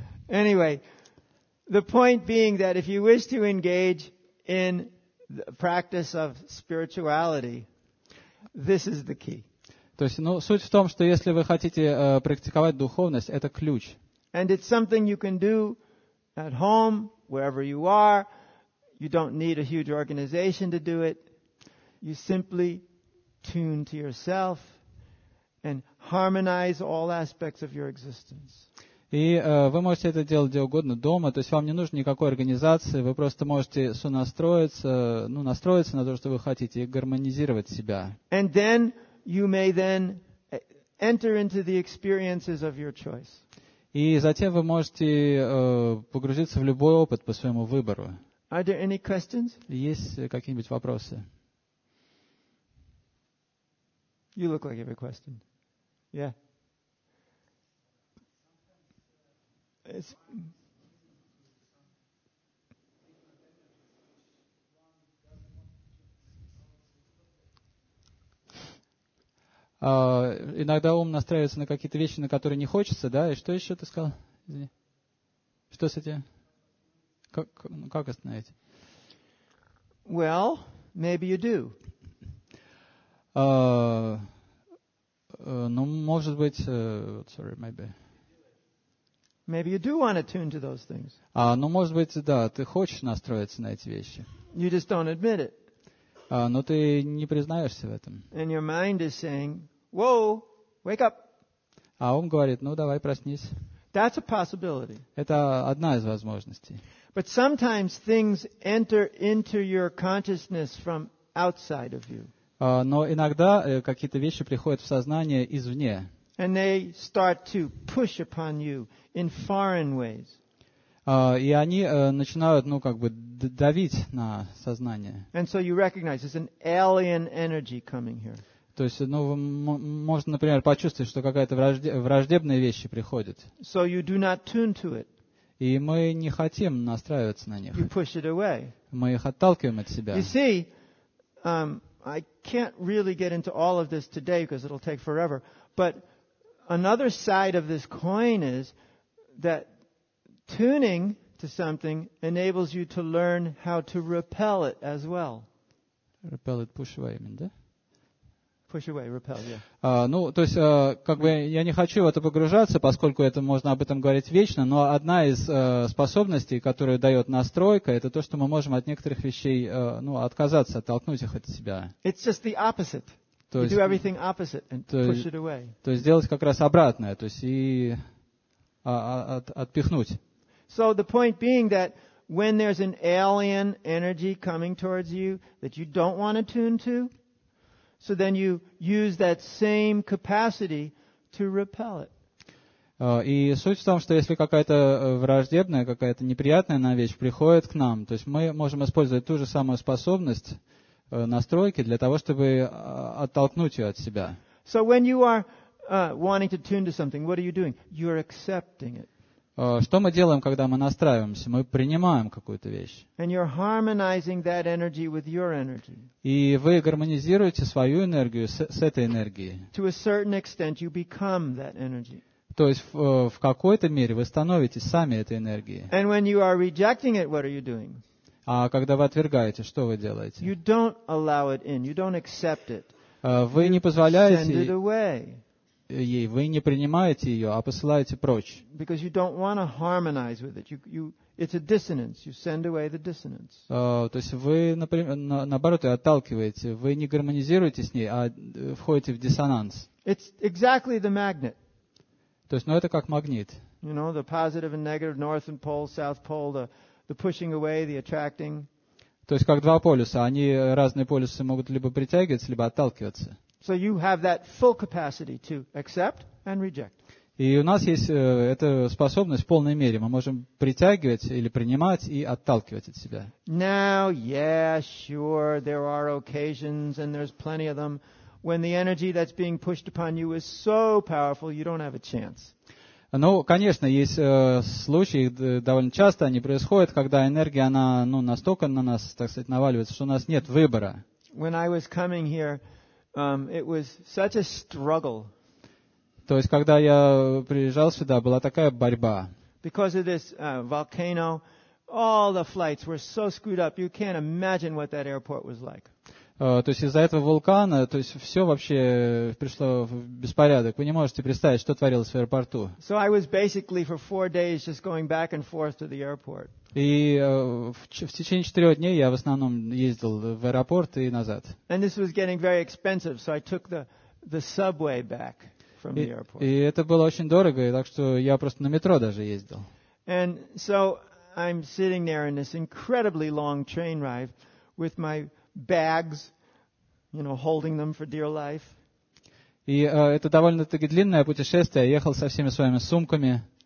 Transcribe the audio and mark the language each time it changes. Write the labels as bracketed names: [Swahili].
[English] Anyway, the point being that if you wish to engage in the practice of spirituality, this is the key. [Russian] То есть, ну, суть в том, что если вы хотите практиковать духовность, это ключ. [English] And it's something you can do at home, wherever you are. You don't need a huge organization to do it. You simply tune to yourself and harmonize all aspects of your existence. [Russian] И вы можете это делать где угодно, дома, то есть вам не нужно никакой организации, вы просто можете сонастроиться, ну, настроиться на то, что вы хотите, и гармонизировать себя. [English] And then you may then enter into the experiences of your choice. [Russian] И затем вы можете погрузиться в любой опыт по своему выбору. [English] Are there any questions? [Russian] Есть какие-нибудь вопросы? [English] You look like you have a question. Yeah. [Russian] Иногда ум настраивается на какие-то вещи, на которые не хочется, да? И что еще ты сказал? Извини. Что с этим? Как остановить? [English] Well, maybe you do. [Russian] Ну, может быть, [English] sorry, maybe. Maybe you do want to tune to those things. [Russian] Ну, может быть, да, ты хочешь настроиться на эти вещи. [English] You just don't admit it. [Russian] Но ты не признаешься в этом. [English] And your mind is saying, "Whoa, wake up." [Russian] А ум говорит: "Ну, давай проснись." [English] That's a possibility. [Russian] Это одна из возможностей. [English] But sometimes things enter into your consciousness from outside of you. [Russian] Но иногда какие-то вещи приходят в сознание извне. [English] And they start to push upon you in foreign ways. [Russian] И они начинают, ну, как бы давить на сознание. [English] And so you recognize there's an alien energy coming here. [Russian] То есть, ну, можно, например, почувствовать, что какая-то враждебная вещь приходит. [English] So you do not tune to it. [Russian] И мы не хотим настраиваться на них. [English] You push it away. [Russian] Мы их отталкиваем от себя. [English] You see, I can't really get into all of this today because it'll take forever. But another side of this coin is that tuning to something enables you to learn how to repel it as well. Repel it, push away, да? Push away, repel, yeah. [Russian] Ну, то есть, как бы я не хочу в это погружаться, поскольку это можно об этом говорить вечно, но одна из способностей, которую дает настройка, это то, что мы можем от некоторых вещей, ну, отказаться, оттолкнуть их от себя. [English] It's just the opposite. [Russian] То есть, [English] you do everything opposite and push it away. [Russian] То есть делать как раз обратное, то есть и отпихнуть. [English] So the point being that when there's an alien energy coming towards you that you don't want to tune to, so then you use that same capacity to repel it. [Russian] И суть в том, что если какая-то враждебная, какая-то неприятная нам вещь приходит к нам, то есть мы можем использовать ту же самую способность настройки для того, чтобы оттолкнуть ее от себя. [English] So when you are wanting to tune to something, what are you doing? You're accepting it. [Russian] Что мы делаем, когда мы настраиваемся? Мы принимаем какую-то вещь. [English] And you're harmonizing that energy with your energy. [Russian] И вы гармонизируете свою энергию с этой энергией. [English] To a certain extent, you become that energy. [Russian] То есть в какой-то мере вы становитесь сами этой энергией. [English] And when you are rejecting it, what are you doing? [Russian] А когда вы отвергаете, что вы делаете? [English] You don't allow it in. You don't accept it. [Russian] Вы не позволяете [English] send it away. [Russian] Ей, вы не принимаете ее, а посылаете прочь. То есть вы, наоборот, отталкиваете, вы не гармонизируете с ней, а входите в диссонанс. [English] It's exactly the magnet. [Russian] То есть, ну это как магнит. [English] You know, the positive and negative, north and pole, south pole, the pushing away, the attracting. [Russian] То есть как два полюса, они разные полюсы могут либо притягиваться, либо отталкиваться. [English] So you have that full capacity to accept and reject. [Russian] И у нас есть эта способность в полной мере. Мы можем притягивать или принимать и отталкивать от себя. [English] Now, yeah, sure, there are occasions, and there's plenty of them, when the energy that's being pushed upon you is so powerful, you don't have a chance. [Russian] Ну, конечно, есть случаи, довольно часто они происходят, когда энергия, она ну, настолько на нас, так сказать, наваливается, что у нас нет выбора. [English] When I was coming here, it was such a struggle. [Russian] То есть, когда я приезжал сюда, была такая борьба. [English] Because of this volcano, all the flights were so screwed up. You can't imagine what that airport was like. [Russian] То есть из-за этого вулкана, то есть все вообще пришло в беспорядок. Вы не можете представить, что творилось в аэропорту. [English] So I was basically for 4 days just going back and forth to the airport. [Russian] И в течение 4 дней я в основном ездил в аэропорт и назад. [English] And this was getting very expensive, so I took the subway back from the airport. [Russian] И это было очень дорого, так что я просто на метро даже ездил. [English] And so I'm sitting there in this incredibly long train ride with my bags, you know, holding them for dear life. [Russian] И это довольно-таки длинное путешествие. Я ехал со всеми своими сумками.